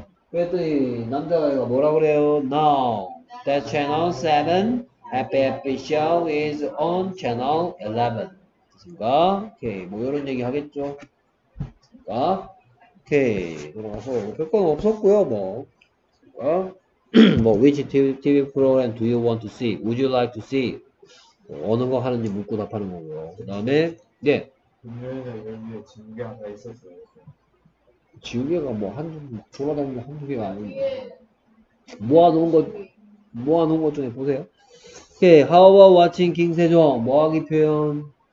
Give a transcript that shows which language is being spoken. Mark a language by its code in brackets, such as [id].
[ko] 그랬더니 남자가 뭐라 그래요? [en] No. That channel 7, Happy Happy Show is on channel 11. [ko] 됐습니까? 오케이. 뭐 이런 얘기 하겠죠. 됐습니까? 오케이. 돌아가서 별건 없었고요. 뭐. 됐습니까? [en] 뭐, which TV program do you want to see? Would you like to see? [ko] 어느 거 하는지 묻고 답하는 거고요. 그 다음에, 네. 금요일에 이런 게 지우개가 있었어요. 지우개가 뭐 한, 돌아다니는 게 한두 개가 아니고. 모아놓은 것, 모아놓은 것 중에 보세요. 오케이. [en] How about watching King Sejong? [ko] 뭐 하기 표현?